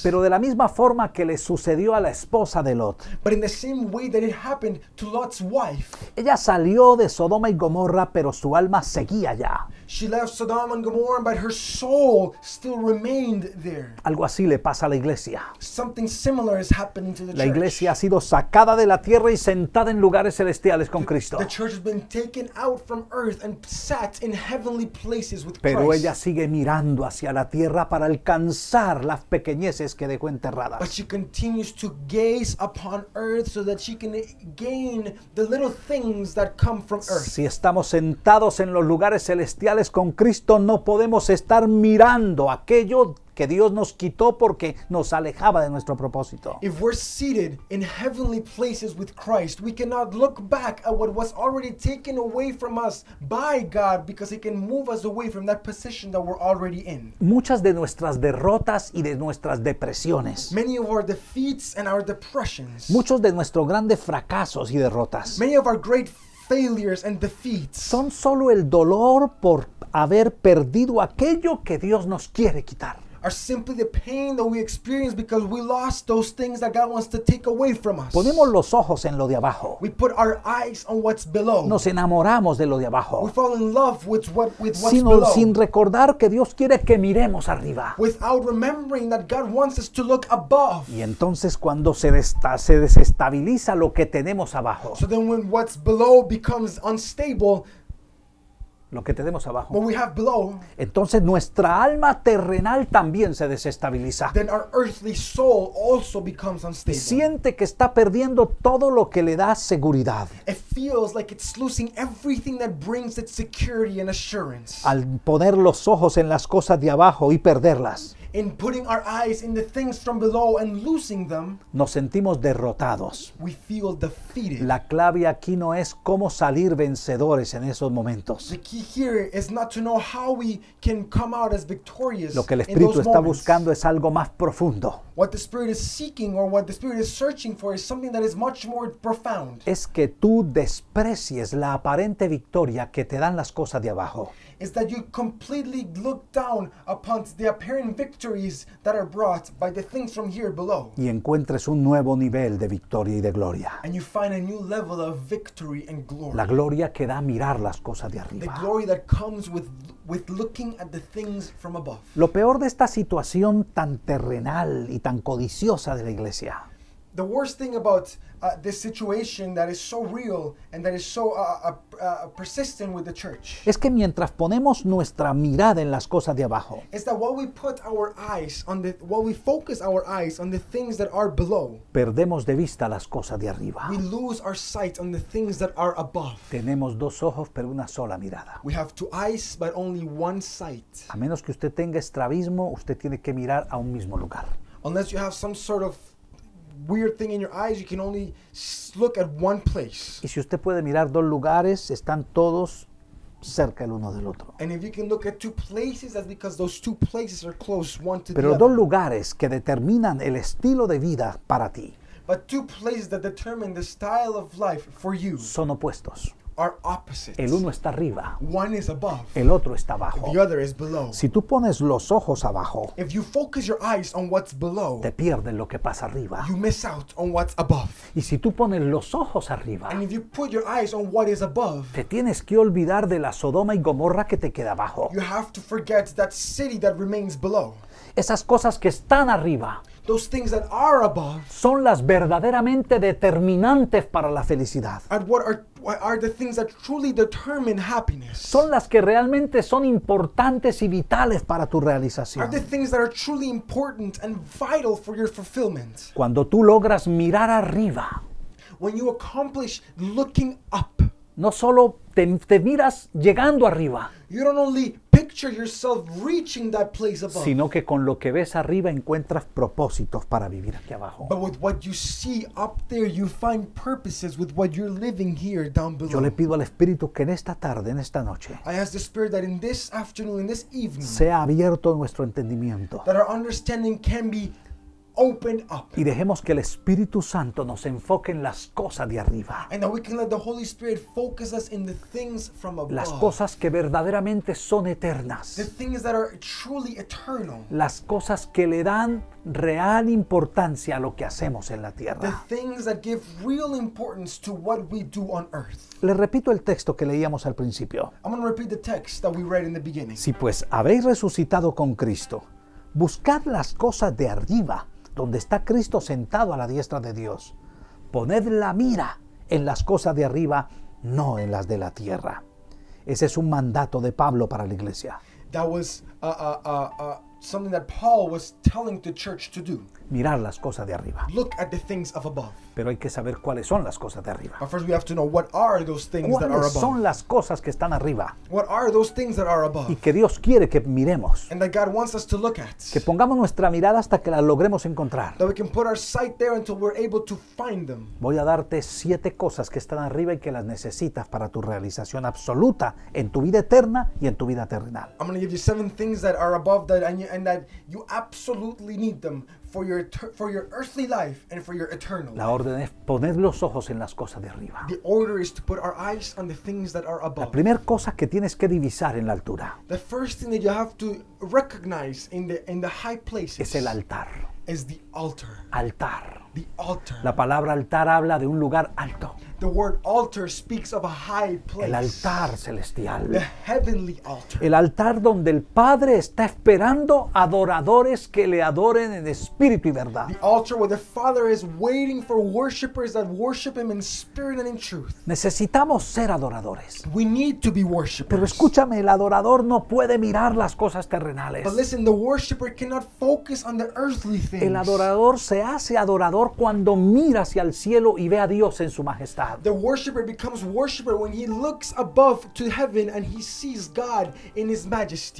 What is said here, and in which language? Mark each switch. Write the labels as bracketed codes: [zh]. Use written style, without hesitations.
[es] Pero de la misma forma que le sucedió a la esposa de Lot. [en] But in the same way that it happened to Lot's wife. [es] Ella salió de Sodoma y Gomorra, pero su alma seguía allá. [en] She left Sodom and Gomorrah, but her soul still remained there. [es] Algo así le pasa a la iglesia. [en] Something similar is happening to the church. [es] La iglesia ha sido sacada de la tierra y sentada en lugares celestiales con Cristo. [en] The church has been taken out from earth and sat in heavenly places with [es] Pero [en] Christ. [es] Ella sigue mirando hacia la tierra para alcanzar las pequeñeces que dejó enterradas. [en] But she continues to gaze upon earth so that she can gain the little things that come from earth. [es] Si estamos sentados en los lugares celestiales con Cristo, no podemos estar mirando aquello que Dios nos quitó porque nos alejaba de nuestro propósito. [en] If we're seated in heavenly places with Christ, we cannot look back at what was already taken away from us by God because it can move us away from that position that we're already in. [es] Muchas de nuestras derrotas y de nuestras depresiones. [en] Many of our defeats and our depressions. [es] Muchos de nuestros grandes fracasos y derrotas. [en] Many of our great failures and defeats. [es] Son solo el dolor por haber perdido aquello que Dios nos quiere quitar. [en] Are simply the pain that we experience because we lost those things that God wants to take away from us. [es] Ponemos los ojos en lo de abajo. [en] We put our eyes on what's below. [es] Nos enamoramos de lo de abajo. [en] We fall in love with what with what's [es] sin, [en] below. [es] Sin recordar que Dios quiere que miremos arriba. [en] Without remembering that God wants us to look above. [es] Y entonces cuando se desestabiliza lo que tenemos abajo. [en] So then when what's below becomes unstable, [es] lo que tenemos abajo. [en] When we have below, [es] entonces nuestra alma terrenal también se desestabiliza. [en] Then our earthly soul also becomes unstable. [es] Siente que está perdiendo todo lo que le da seguridad. [en] It feels like it's losing everything that brings it security and assurance. [es] Al poner los ojos en las cosas de abajo y perderlas. [en] In putting our eyes in the things from below and losing them, [es] nos sentimos derrotados. [en] We feel defeated. [es] La clave aquí no es cómo salir vencedores en esos momentos. [en] The key here is not to know how we can come out as victorious. [es] Lo que el Espíritu está buscando es algo más profundo. [en] What the Spirit is seeking or what the Spirit is searching for is something that is much more profound. [es] Es que tú desprecies la aparente victoria que te dan las cosas de abajo. [en] Is that you completely look down upon the apparent victories that are brought by the things from here below. [es] Y encuentres un nuevo nivel de victoria y de gloria. [en] And you find a new level of victory and glory. [es] La gloria que da mirar las cosas de arriba. [en] The glory that comes with looking at the things from above. [es] Lo peor de esta situación tan terrenal y tan codiciosa de la iglesia. [en] The worst thing about this situation that is so real and that is so persistent with the church. [es] Es que mientras ponemos nuestra mirada en las cosas de abajo. [en] Is that while we put our eyes on the, while we focus our eyes on the things that are below. [es] Perdemos de vista las cosas de arriba. [en] We lose our sight on the things that are above. [es] Tenemos dos ojos pero una sola mirada. [en] We have two eyes but only one sight. [es] A menos que usted tenga estrabismo, usted tiene que mirar a un mismo lugar. [en] Unless you have some sort of weird thing in your eyes, you can only look at one place. [es] Y si usted puede mirar dos lugares, están todos cerca el uno del otro. [en] And if you can look at two places, that's because those two places are close one to the other. [es] Pero dos lugares que determinan el estilo de vida para ti. [en] But two places that determine the style of life for you. [es] Son opuestos. [en] Are opposites. [es] El uno está arriba. [en] One is above. [es] El otro está abajo. [en] The other is below. [es] Si tú pones los ojos abajo, [en] if you focus your eyes on what's below, [es] te pierdes lo que pasa arriba. [en] You miss out on what's above. [es] Y si tú pones los ojos arriba, [en] and if you put your eyes on what is above, [es] te tienes que olvidar de la Sodoma y Gomorra que te queda abajo. [en] You have to forget that city that remains below. [es] Esas cosas que están arriba, [en] those things that are above, [es] son las verdaderamente determinantes para la felicidad. [en] Are the things that truly determine happiness. [es] Son las que realmente son importantes y vitales para tu realización. [en] Are the things that are truly important and vital for your fulfillment. [es] Cuando tú logras mirar arriba, [en] when you accomplish looking up, [es] no solo te miras llegando arriba, [en] you don't only picture yourself reaching that place above, [es] sino que con lo que ves arriba encuentras propósitos para vivir aquí abajo. [en] But with what you see up there, you find purposes with what you're living here down below. [es] Yo le pido al Espíritu que en esta tarde, en esta noche, [en] I ask the Spirit that in this afternoon, in this evening, [es] sea abierto nuestro entendimiento, [en] that our understanding can be opened up, [es] y dejemos que el Espíritu Santo nos enfoque en las cosas de arriba, [en] and that we can let the Holy Spirit focus us in the things from above, [es] las cosas que verdaderamente son eternas, [en] the things that are truly eternal, [es] las cosas que le dan real importancia a lo que hacemos en la tierra, [en] the things that give real importance to what we do on earth. [es] Le repito el texto que leíamos al principio. [en] I'm going to repeat the text that we read in the beginning. [es] Si pues habéis resucitado con Cristo, buscad las cosas de arriba, donde está Cristo sentado a la diestra de Dios. Poned la mira en las cosas de arriba, no en las de la tierra. Ese es un mandato de Pablo para la iglesia. [en] That was something that Paul was telling the church to do. [es] Mirar las cosas de arriba. [en] Look at the things of above. [es] Pero hay que saber cuáles son las cosas de arriba. [en] But first we have to know what are those things that are above. [es] ¿Cuáles son las cosas que están arriba? [en] What are those things that are above? [es] Y que Dios quiere que miremos. [en] And that God wants us to look at. [es] Que pongamos nuestra mirada hasta que la logremos encontrar. [en] That we can put our sight there until we're able to find them. [es] Voy a darte siete cosas que están arriba y que las necesitas para tu realización absoluta en tu vida eterna y en tu vida terrenal. [en] I'm going to give you seven things that are above that and that you absolutely need them. For your earthly life and for your eternal life. [es] La orden es poner los ojos en las cosas de arriba. [en] The order is to put our eyes on the things that are above. [es] La primera cosa que tienes que divisar en la altura. [en] The first thing that you have to recognize in the high places. [es] Es el altar. [en] Is the altar. [es] Altar. [en] The altar. [es] La palabra altar habla de un lugar alto. [en] The word altar speaks of a high place. [es] El altar celestial. [en] The heavenly altar. [es] El altar donde el Padre está esperando adoradores que le adoren en espíritu. espíritu y verdad. [en] The altar where the Father is waiting for worshipers that worship Him in spirit and in truth. [es] Necesitamos ser adoradores. [en] We need to be worshipers. [es] Pero escúchame, el adorador no puede mirar las cosas terrenales. [en] But listen, the worshiper cannot focus on the earthly things. [es] El adorador se hace adorador cuando mira hacia el cielo y ve a Dios en su majestad. [en] The worshiper becomes worshiper when he looks above to heaven and he sees God in His majesty.